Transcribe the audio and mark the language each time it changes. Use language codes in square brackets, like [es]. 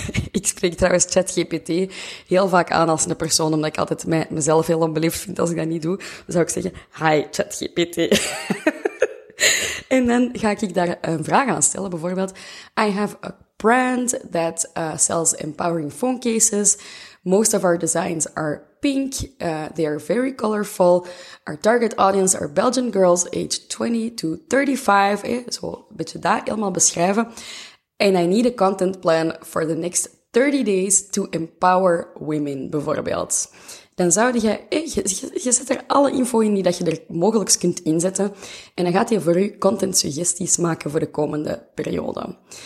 [nl] Ik spreek trouwens ChatGPT heel vaak aan als een persoon, omdat ik altijd mezelf heel onbeleefd vind als ik dat niet doe. Dan zou ik zeggen, hi ChatGPT. En dan ga ik daar een vraag aan stellen, bijvoorbeeld. [en] I have a brand that sells empowering phone cases. Most of our designs are pink. They are very colorful. Our target audience are Belgian girls aged 20 to 35. [nl] Zo een beetje dat helemaal beschrijven. [en] And I need a content plan for the next 30 days to empower women, [nl] bijvoorbeeld. Dan zou jij, je zet er alle info in die dat je er mogelijk kunt inzetten. En dan gaat hij voor je content suggesties maken voor de komende periode.